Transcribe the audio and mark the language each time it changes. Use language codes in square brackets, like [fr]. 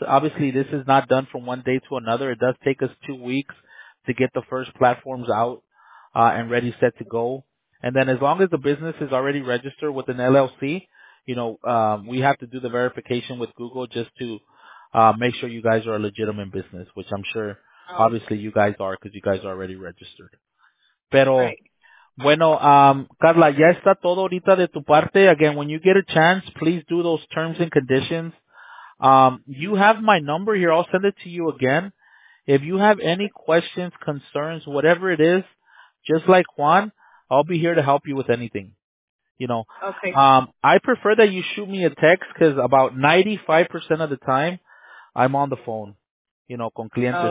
[en] Obviously, this is not done from one day to another. It does take us 2 weeks to get the first platforms out and ready, set to go. And then as long as the business is already registered with an LLC, you know, we have to do the verification with Google just to make sure you guys are a legitimate business, which I'm sure obviously you guys are because you guys are already registered. [es] Pero, bueno, Carla, ya está todo ahorita de tu parte. [en] Again, when you get a chance, please do those terms and conditions. You have my number here. I'll send it to you again. If you have any questions, concerns, whatever it is, just like Juan, I'll be here to help you with anything. You know, okay. I prefer that you shoot me a text because about 95% of the time, I'm on the phone, you know, [es] con clientes.